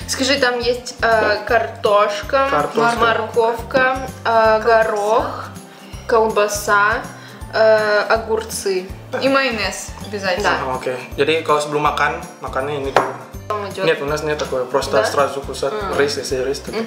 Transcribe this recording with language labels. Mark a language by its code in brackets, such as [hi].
[ru] Скажи, там есть картошка, морковка, горох, колбаса, огурцы и майонез обязательно. Да. Окей. [id] Jadi kalau sebelum makan, makannya ini dulu. [ru] Нет, у нас нет такого. Просто сразу кусать рис, если рис.